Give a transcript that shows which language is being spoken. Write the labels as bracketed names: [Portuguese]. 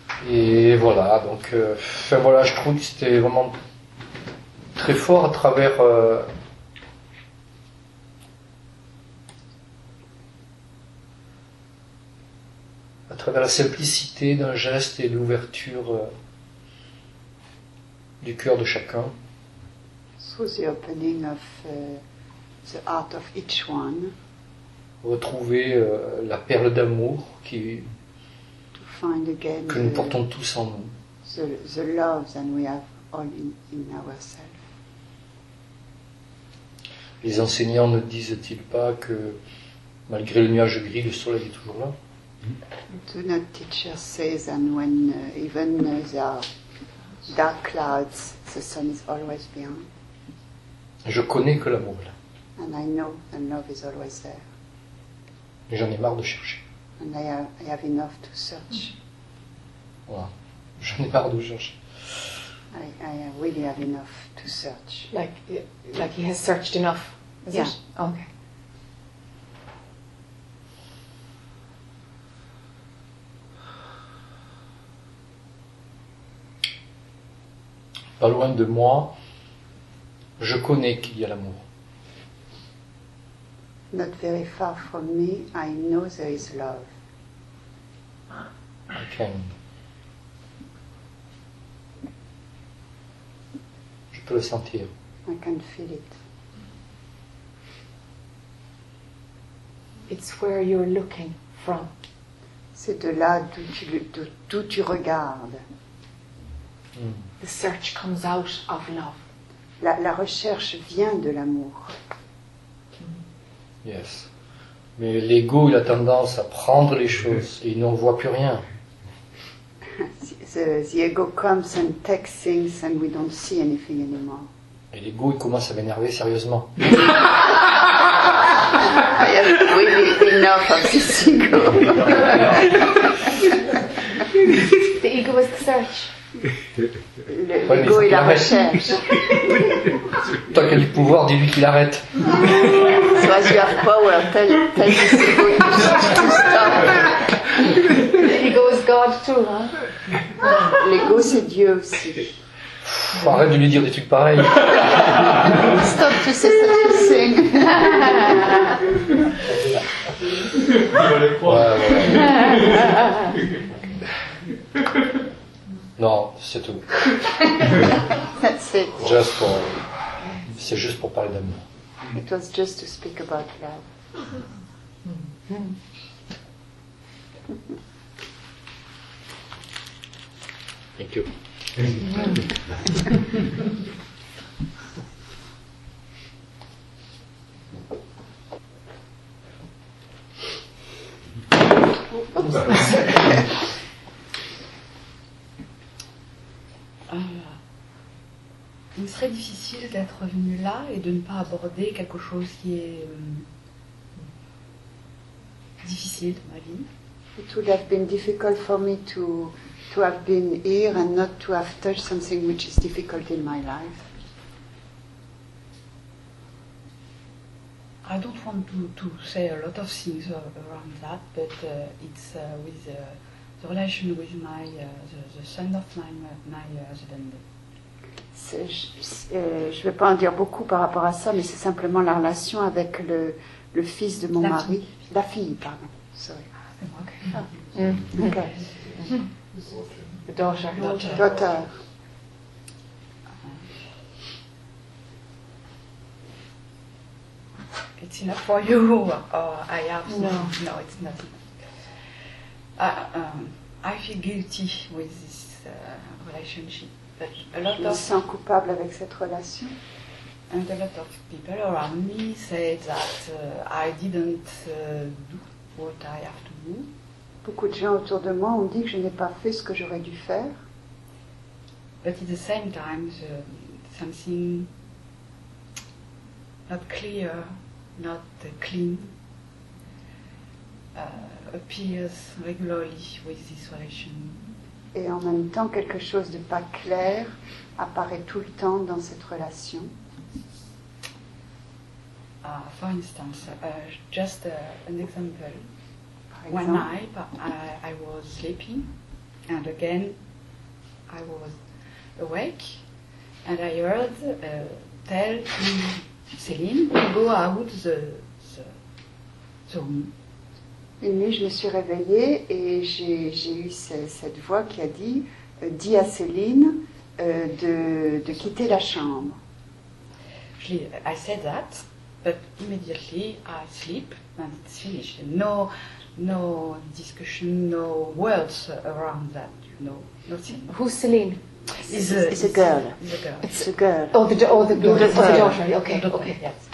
[French] Et voilà, donc enfin voilà, je trouve que c'était vraiment très fort à travers la simplicité d'un geste et l'ouverture du cœur de chacun. [English] Through the opening of the heart of each one. [French] Retrouver la perle d'amour qui [English] to find again [French] que nous portons tous en nous. [English] The love that we have all in ourselves. [French] Les enseignants ne disent-ils pas que malgré le nuage gris, le soleil est toujours là? [English] Do not teachers say that when even there are dark clouds, the sun is always behind? [French] Je connais que l'amour là. [English] And I know that love is always there. [French] Mais j'en ai marre de chercher. [English] And I have enough to search. [French] Voilà. J'en ai marre de chercher. [English] I really have enough to search. Like he has searched enough. Is yeah. It? Okay. [French] Pas loin de moi, je connais qu'il y a l'amour. [English] Not very far from me, I know there is love. I can. [French] Je peux le sentir. [English] I can feel it. It's where you're looking from. [French] C'est de là d'où tu regardes. [English] The search comes out of love. [French] La recherche vient de l'amour. [English] Yes. [French] Mais l'ego, il a tendance à prendre les choses et il n'en voit plus rien. [English] The ego comes and takes things and we don't see anything anymore. [French] Et l'ego, il commence à m'énerver sérieusement. [English] I have really enough of this ego. The ego is the search. [French] Le ouais, go et la recherche. Toi qui as du pouvoir, dis-lui qu'il arrête. [English] So as you have power, tell this ego to stop. L'ego is God too, [French] hein? L'ego c'est Dieu aussi. Pff, arrête de lui dire des trucs pareils. [English] Stop to say such a thing. [French] Ouais, ouais. Non, c'est tout. [English] That's it. [French] C'est juste pour parler d'amour. [English] It was just to speak about love. Thank you. [French] Il serait difficile d'être venu là et de ne pas aborder quelque chose qui est difficile dans ma vie. [English] It would have been difficult for me to have been here and not to have touched something which is difficult in my life. I don't want to say a lot of things around that, but it's with the relation with my the son of my husband. [French] Je ne vais pas en dire beaucoup par rapport à ça, mais c'est simplement la relation avec le fils de mon mari. La fille, pardon. [English] Sorry. Okay. Ah. Mm. Okay. Mm. The daughter. Daughter. It's enough for you, or I have no. No, it's not. I feel guilty with this relationship. [French] Je me sens coupable avec cette relation. [English] And a lot of people around me said that I didn't do what I have to do. [French] beaucoup de gens autour de moi ont dit que je n'ai pas fait ce que j'aurais dû faire. [English] But at the same time, something not clear, not clean, appears regularly with this relation. [French] Et en même temps, quelque chose de pas clair apparaît tout le temps dans cette relation. [English] For instance, just an example. [French] Par exemple, [English] one night I was sleeping, and again I was awake, and I heard tell Céline to go out the room. [French] Une nuit, je me suis réveillée et j'ai eu cette voix qui a dit « Dis à Céline de quitter la chambre. » [English] I said that, but immediately I sleep and it's finished. No discussion, no words around that, you know, nothing. Who's Céline? It's a girl. It's a girl. Oh, the daughter, okay.